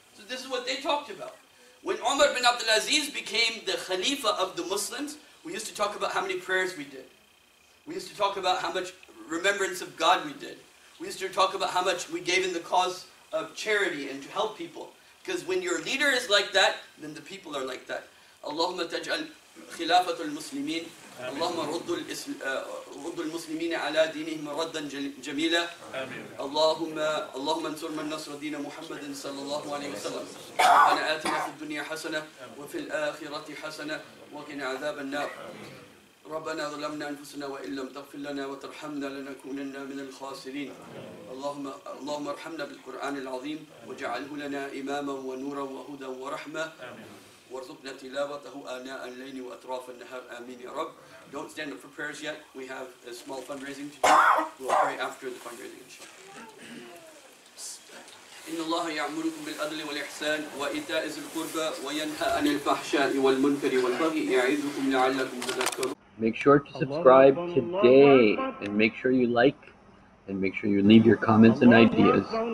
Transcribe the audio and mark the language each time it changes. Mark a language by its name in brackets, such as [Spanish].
[English] So this is what they talked about. When Umar ibn Abdul Aziz became the Khalifa of the Muslims, we used to talk about how many prayers we did. We used to talk about how much remembrance of God we did. We used to talk about how much we gave in the cause of charity and to help people. Because when your leader is like that, then the people are like that. [Arabic] Allahumma taj'al khilafatul muslimin اللهم رد المسلمين على دينهم ردا جميلا اللهم انصر من نصر دين محمد صلى الله عليه وسلم ربنا آتنا في الدنيا حسنة وفي الآخرة حسنة وقنا عذاب النار ربنا ظلمنا أنفسنا وإن لم تغفر لنا وترحمنا لنكونن من الخاسرين اللهم ارحمنا بالقرآن العظيم وجعله لنا إماما ونورا وهدى ورحمة وارزقنا تلاوته آناء الليل وأطراف النهار آمين يا رب. [English] Don't stand up for prayers yet. We have a small fundraising to do. We'll pray after the fundraising. [Arabic] إن الله يعمركم بالعدل والإحسان وإيتاء ذي القربى وينهى عن الفحشاء والمنكر والبغي يعظكم لعلكم تذكرون. [English] Make sure to subscribe today and make sure you like and make sure you leave your comments and ideas.